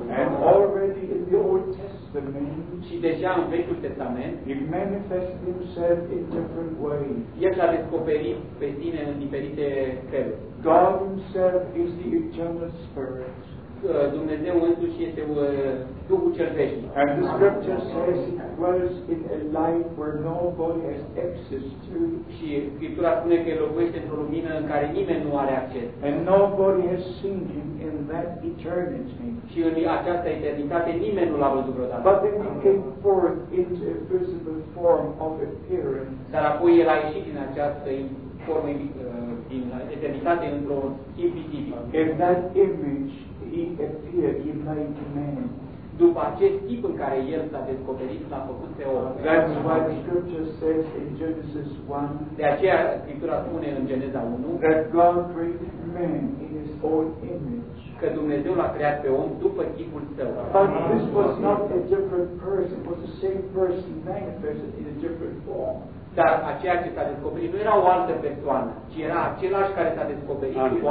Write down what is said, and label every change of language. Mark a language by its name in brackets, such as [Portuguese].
[English] And already in the Old Testament. [Romanian] Și deja în Vechiul Testament. [English] He manifested himself in different ways. [Romanian] El s-a descoperit pe Sine în diferite feluri. [English] God himself is the eternal spirit. [Romanian] Dumnezeu însuși este Duhul cel veșnic. [English] And the scripture says it dwells in a light where nobody has access to. [Romanian] Și Scriptura spune că locuiește într-o lumină în care nimeni nu are acces. [English] And nobody has seen him in that eternity. [Romanian] Și în această eternitate nimeni nu l-a văzut vreodată. [English] But then he came forth into a visible form of appearance. [Romanian] Dar apoi el a ieșit din această formă din eternitate într-o chip visibil. [English] In that image He appeared, He made man. [Romanian] După acest tip în care El s-a descoperit, l-a făcut pe om. [English] That's why the scripture says in Genesis 1. [Romanian] De aceea Scriptura spune în Geneza 1. [English] That God created man in His own image. [Romanian] Că Dumnezeu l-a creat pe om după chipul său. [English] But this was not a different person. It was the same person manifested in a different form. [Romanian] Dar aceea ce s-a descoperit nu era o altă persoană, ci era același care s-a descoperit cu